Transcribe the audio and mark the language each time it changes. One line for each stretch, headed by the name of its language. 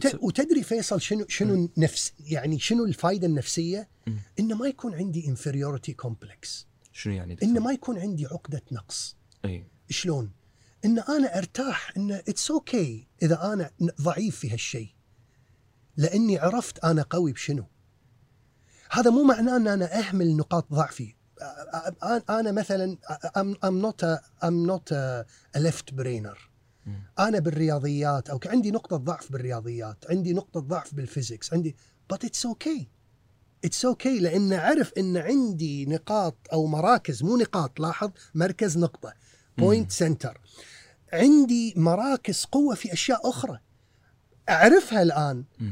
Arabic: وتدري فيصل شنو نفس يعني شنو الفائدة النفسية؟ إن ما يكون عندي
English: inferiority complex.
Arabic: شنو يعني؟ إن ما يكون عندي عقدة نقص. أي. شلون؟ إن أنا أرتاح إن
English: it's okay
Arabic: إذا أنا ضعيف في هالشيء، لأني عرفت أنا قوي بشنو. هذا مو معناه إن أنا أهمل نقاط ضعفي. أنا مثلاً
English: I'm not a left brainer.
Arabic: أنا بالرياضيات أو عندي نقطة ضعف بالرياضيات، عندي نقطة ضعف بالفيزيكس، عندي
English: but it's okay. It's okay
Arabic: لأن عرف إن عندي نقاط أو مراكز، مو نقاط، لاحظ مركز نقطة
English: point center،
Arabic: عندي مراكز قوة في أشياء أخرى أعرفها الآن.